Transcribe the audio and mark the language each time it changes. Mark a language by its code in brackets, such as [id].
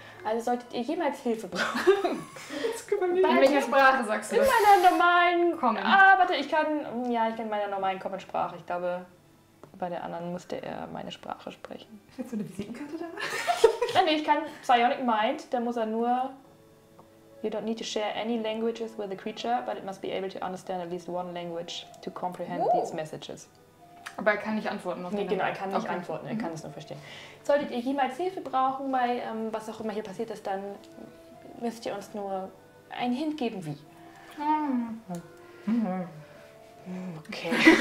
[de] Also solltet ihr jemals Hilfe brauchen? In welcher Sprache sagst du das? In meiner normalen Common. Ah, warte, ich kann meiner normalen Common Sprache. Ich glaube, bei der anderen musste er meine Sprache sprechen. Hättest du eine Visitenkarte da? Nein, ich kann Psionic Mind, da muss er nur. [en] You don't need to share any languages with the creature, but it must be able to understand at least one language to comprehend these messages. [de] Aber er kann nicht antworten. Nee, genau, er kann nicht antworten, er kann es nur verstehen. Solltet ihr jemals Hilfe brauchen, weil was auch immer hier passiert ist, dann müsst ihr uns nur einen Hint geben, wie. Okay.